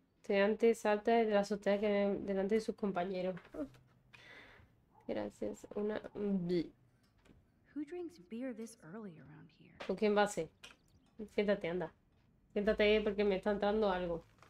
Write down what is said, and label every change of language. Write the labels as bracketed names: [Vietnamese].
[Spanish] Antes salta de la azotea que delante de sus compañeros. Gracias, una B. [English] Who drinks beer this early around here? [Spanish] ¿Con quién va a ser? Siéntate, anda. Siéntate porque me está entrando algo.